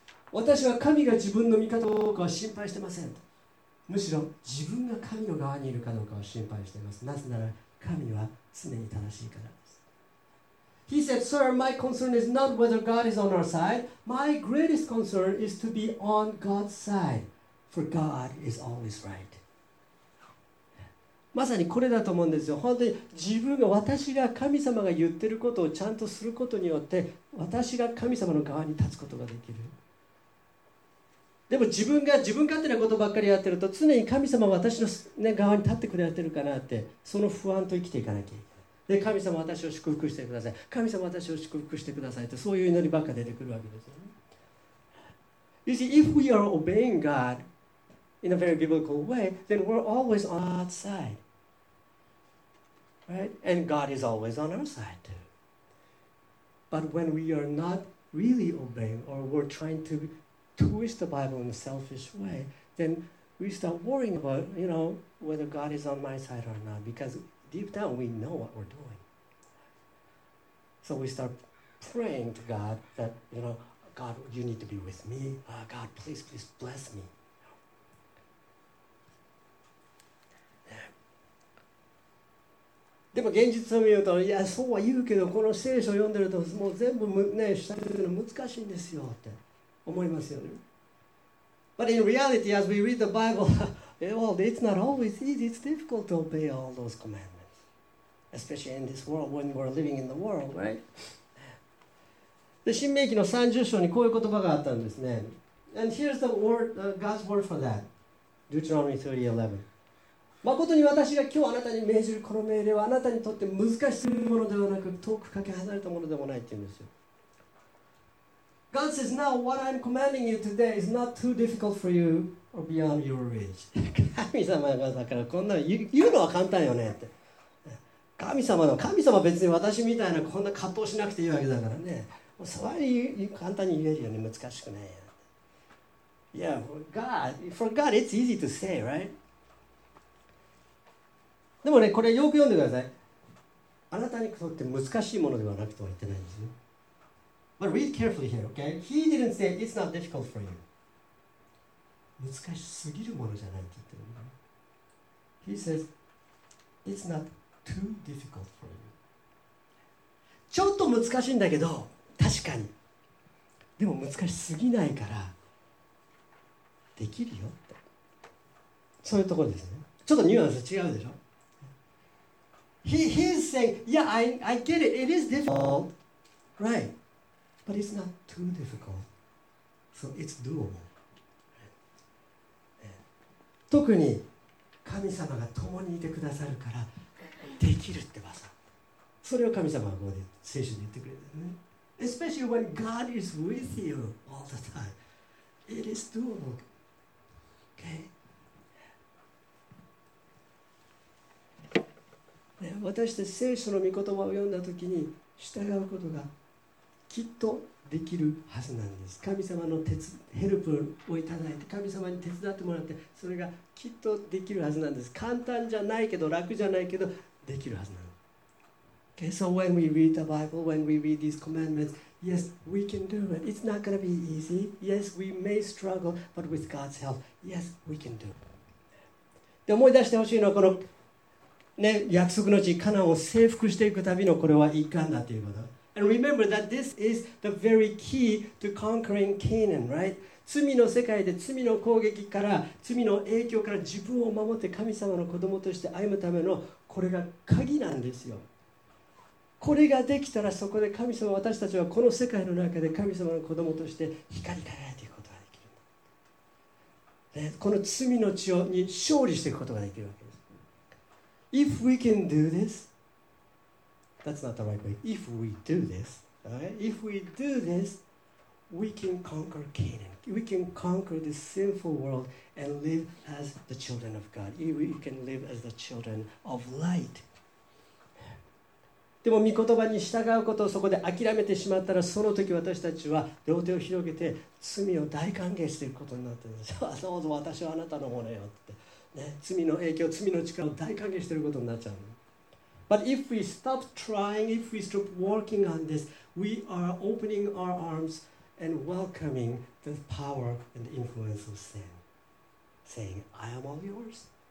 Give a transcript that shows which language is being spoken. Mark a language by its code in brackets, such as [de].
[ja] 私は神が自分の味方かどうかは心配してません。むしろ自分が神の側にいるかどうかを心配しています。なぜなら神は常に正しいからです。 [en] He said, Sir, my concern is not whether God is on our side. My greatest concern is to be on God's side. For God is always right. [ja] まさにこれだと思うんですよ。本当に自分が、私が神様が言ってることをちゃんとすることによって私が神様の側に立つことができる。でも自分が自分勝手なことばっかりやってると常に神様は私の、ね、側に立ってくれてるかなってその不安と生きていかなきゃいけない。で神様私を祝福してください、神様私を祝福してくださいと、そういう祈りばっかり出てくるわけですよ、 [en] ね、You see, if we are obeying GodIn a very biblical way, then we're always on God's side. Right? And God is always on our side too. But when we are not really obeying or we're trying to twist the Bible in a selfish way, then we start worrying about, you know, whether God is on my side or not, because deep down we know what we're doing. So we start praying to God that, you know, God, you need to be with me. God, please, please bless me. [ja] でも現実を見ると、いや、そうは言うけど、この聖書を読んでると、もう全部ね、したりするの難しいんですよって思いますよね。 [en] But in reality, as we read the Bible, well, it's not always easy, it's difficult to obey all those commandments. Especially in this world, when we're living in the world, right? [ja] で、申命記の30章にこういう言葉があったんですね。 [en] And here's the word, God's word for that. Deuteronomy 30:11. [ja] 誠に私が今日あなたに命じるこの命令はあなたにとって難しいものではなく遠くかけ離れたものでもないって言うんですよ。 [en] God says now what I'm commanding you today is not too difficult for you or beyond your reach. [ja] 神様がだからこんなの言うのは簡単よねって。神様の、神様別に私みたいなこんな葛藤しなくていいわけだからね。もうそれは簡単に言えるよね、難しくないよ。 [en] Yeah, for God it's easy to say, right? [ja] でもね、これよく読んでください。あなたにとって難しいものではなくとは言ってないんですよ。 [en] But read carefully here, okay? He didn't say it's not difficult for you. [ja] 難しすぎるものじゃないって言ってる。 [en] He says it's not too difficult for you. [ja] ちょっと難しいんだけど、確かに。でも難しすぎないから、できるよって。そういうところですね。ちょっとニュアンス違うでしょ。 [en] He's saying, yeah, I get it. It is difficult, right? But it's not too difficult. So it's doable. [ja] 特に神様が共にいてくださるからできるってばさ。それを神様がここで聖書に言ってくれてるね。 [en] Especially when God is with you all the time. It is doable. Okay? [ja] 私たち聖書の御言葉を読んだときに従うことがきっとできるはずなんです。神様のヘルプをいただいて、神様に手伝ってもらって、それがきっとできるはずなんです。簡単じゃないけど、楽じゃないけど、できるはずなんです。 [en] Okay, so when we read the Bible, when we read these commandments, yes, we can do it. It's not going to be easy. Yes, we may struggle, but with God's help, yes, we can do it. [ja] で、思い出してほしいのはこのね、約束の地カナンを征服していく旅のこれは一環だということ。 [en] And remember that this is the very key to conquering Canaan, right? [ja] 罪の世界で罪の攻撃から罪の影響から自分を守って神様の子供として歩むためのこれが鍵なんですよ。これができたらそこで神様私たちはこの世界の中で神様の子供として光り輝いていくことができる。で、この罪の血に勝利していくことができるわけです。 [en] If we can do this, that's not the right way. If we do this, right? If we do this, we can conquer Canaan. We can conquer this sinful world and live as the children of God. We can live as the children of light. [ja] でも御言葉に従うことをそこで諦めてしまったらその時私たちは両手を広げて罪を大歓迎していくことになっているんです。どうぞ私はあなたのものよって、ね、罪の影響罪の力を大歓迎していることになっちゃう。 [en] But if we stop trying, if we stop working on this, we are opening our arms and welcoming the power and influence of sin, saying, I am all yours.